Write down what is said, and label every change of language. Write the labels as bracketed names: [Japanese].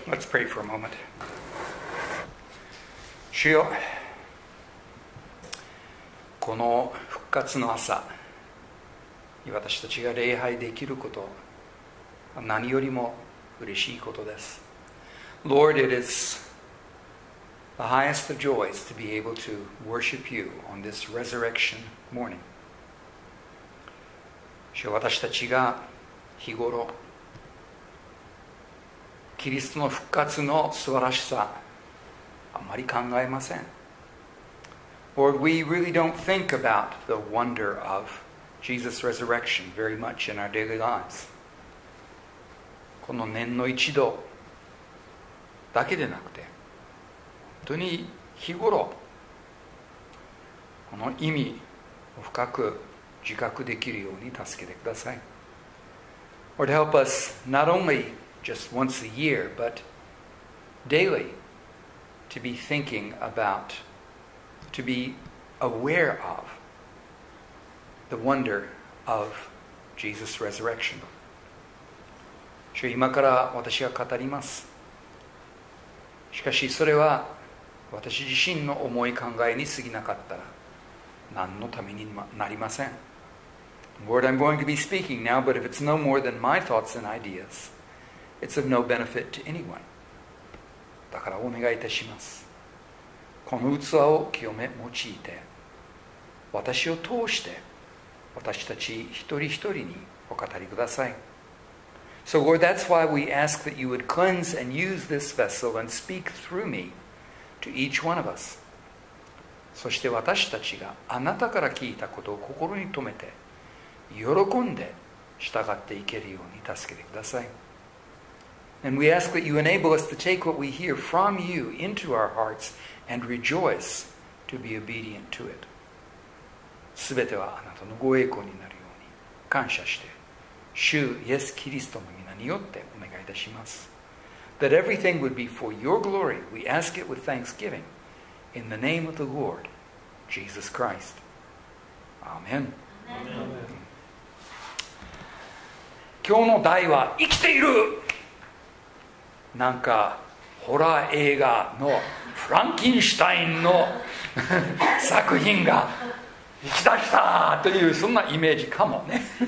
[English] Let's pray for a moment. [Japanese] 主よ、この復活の朝に私たちが礼拝できること、何よりも嬉しいことです。 [English] Lord, it is the highest of joys to be able to worship you on this resurrection morning. [Japanese] 主よ、私たちが日頃キリストの復活の素晴らしさあまり考えません。 [English] Lord, we really don't think about the wonder of Jesus' resurrection very much in our daily lives. [Japanese] この年の一度だけでなくて、本当に日頃この意味を深く自覚できるように助けてください。 [English] Lord, help us not only just once a year, but daily to be thinking about, to be aware of the wonder of Jesus' resurrection. [Japanese] 主、今から私が語ります。しかしそれは私自身の思い考えに過ぎなかったら何のためになりません。 [English] Lord, I'm going to be speaking now, but if it's no more than my thoughts and ideas, it's of no benefit to anyone. [Japanese] だからお願いいたします。この器を清め用いて、私を通して私たち一人一人にお語りください。 [English] So Lord, that's why we ask that you would cleanse and use this vessel and speak through me to each one of us. [Japanese] そして私たちがあなたから聞いたことを心に留めて、喜んで従っていけるように助けてください。 [English] And we ask that you enable us to take what we hear from you into our hearts and rejoice to be obedient to it. [Japanese] すべてはあなたのご栄光になるように感謝して、主イエス・キリストの皆によってお願いいたします。 [English] That everything would be for your glory, we ask it with thanksgiving in the name of the Lord Jesus Christ. Amen. Amen. [Japanese] 今日の題は生きている。なんかホラー映画のフランキンシュタインの作品が生きた来たというそんなイメージかもね。